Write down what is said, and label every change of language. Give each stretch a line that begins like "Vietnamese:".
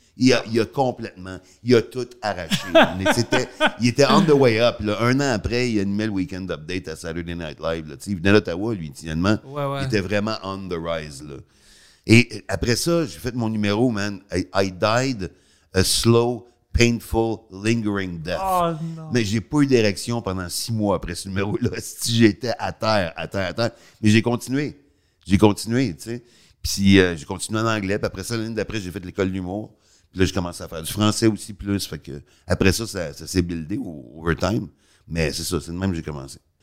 French: Il a complètement, il a tout arraché. Il était on the way up. Là. Un an après, il a animé le Weekend Update à Saturday Night Live. Là. Il venait d'Ottawa, lui, finalement. Ouais, ouais. Il était vraiment on the rise. Là. Et après ça, j'ai fait mon numéro, man.
English: I died a slow, painful, lingering death.
French: Oh, non. Mais j'ai pas eu d'érection pendant 6 mois après ce numéro-là. Si j'étais à terre. Mais j'ai continué, tu sais. Puis j'ai continué en anglais. Puis après ça, l'année d'après, j'ai fait l'école d'humour. Puis là, j'ai commencé à faire du français aussi plus. Fait que après ça, ça s'est buildé over time. Mais c'est ça, c'est de même que j'ai commencé.